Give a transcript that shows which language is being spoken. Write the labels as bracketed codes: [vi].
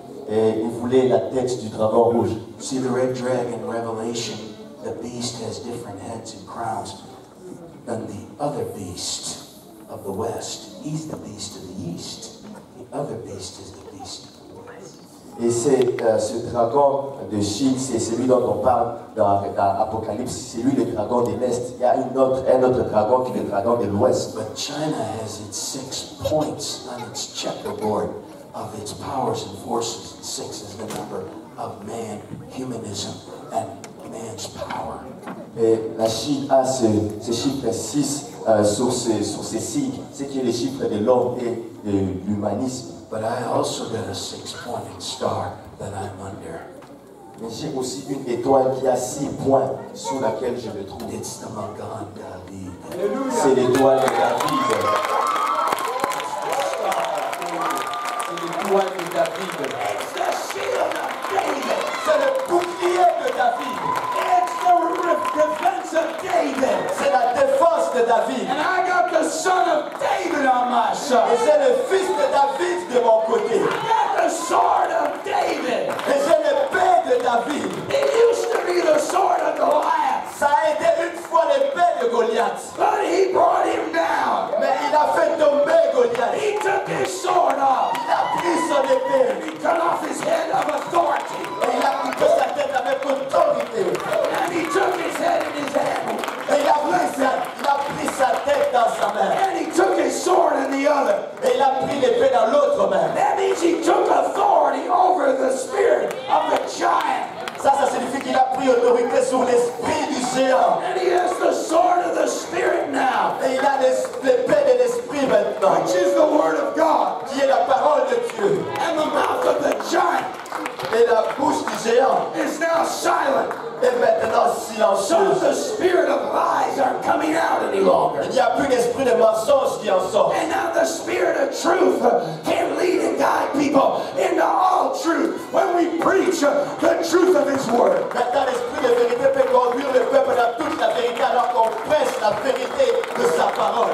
[fr] Et vous voulez la tête du dragon rouge. [en] See the red dragon revelation, the beast has different heads and crowns than the other beast of the west. He's the beast of the east. The other beast is the beast of the west. [fr] Et c'est ce dragon de Chine, c'est celui dont on parle dans Apocalypse, c'est lui le dragon de l'Est. Il y a un autre dragon qui est le dragon de l'Ouest. [en] But China has its 6 points on its checkerboard of its powers and forces. 6 is the number of man, humanism, and man's power. [fr] Et la Chine a ce chiffre 6 sur ses signes, ce qui est le chiffre de l'homme et de l'humanisme. [en] But I also got a 6-pointed star that I'm under. [fr] Mais j'ai aussi une étoile qui a 6 points sous laquelle je me trouve. [en] It's the Magan David. Alleluia. [fr] C'est l'étoile de David. C'est l'étoile de David. [en] It's the shield of David. [fr] C'est le bouclier de David. [en] It's the defense of David. [fr] C'est la défense de David. [en] And I got the son of David on my side. [fr] Et c'est le fils de David de mon côté. [en] I got the sword of David. [fr] Et j'ai l'épée de David. [en] It used to be the sword of Goliath. [fr] Ça a été une fois l'épée de Goliath. [en] But he brought him down. [fr] Mais il a fait tomber Goliath. [en] He took his sword off. [fr] Il a pris son épée. [en] He cut off his head of authority. [fr] Et il a coupé sa tête avec autorité. [en] And he took his head in his hand. [fr] Et il a pris sa tête dans sa main. [en] And he took his sword in the other. [fr] Et il a pris l'épée dans l'autre main. [en] That means he took authority over the spirit of the giant. [fr] Ça signifie qu'il a pris autorité sur l'esprit du géant. [en] And he has the sword of the spirit now. [fr] Et il a l'épée de l'esprit maintenant. [en] Which is the word of God. [fr] Qui est la parole de Dieu. [en] And the mouth of the giant. [fr] Et la bouche du géant. [en] Is now silent. [fr] Et maintenant silencieux. [en] So the spirit of lies are coming out any longer. [fr] Il n'y a plus d'esprit de mensonge qui en sort. [en] And now the spirit of truth can lead and guide people into all truth when we preach the truth of His word. [fr] Maintenant l'esprit de vérité peut conduire le peuple dans toute la vérité alors qu'on prêche la vérité de sa parole.